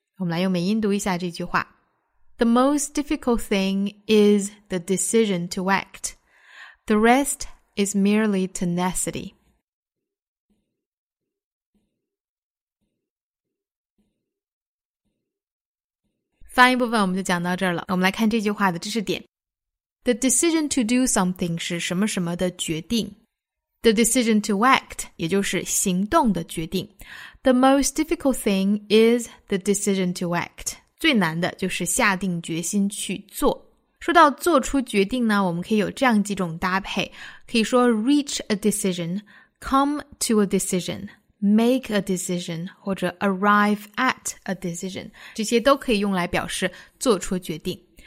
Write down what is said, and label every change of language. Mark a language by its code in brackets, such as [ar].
[zh] 我们来用美音读一下这句话。 [en] The most difficult thing is the decision to act. The rest is merely tenacity. [zh] 翻译部分我们就讲到这儿了。我们来看这句话的知识点。 [en] The decision to do something [zh] 是什么什么的决定。 [en] The decision to act, [zh] 也就是行动的决定。 [en] The most difficult thing is the decision to act. [zh] 最难的就是下定决心去做。说到做出决定呢，我们可以有这样几种搭配，可以说 [en] reach a decision, come to a decision, [zh] make a decision, 或者 [en] arrive at a decision, [zh] 这些都可以用来表示做出决定。